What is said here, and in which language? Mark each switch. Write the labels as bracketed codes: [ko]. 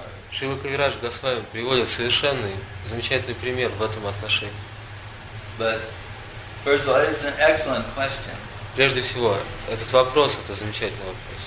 [ru] Шрила Кавирадж Госвами приводит совершенный, замечательный пример в этом отношении. [en] But, first of all, it's an excellent question. [ru] Прежде всего, этот вопрос, это замечательный вопрос.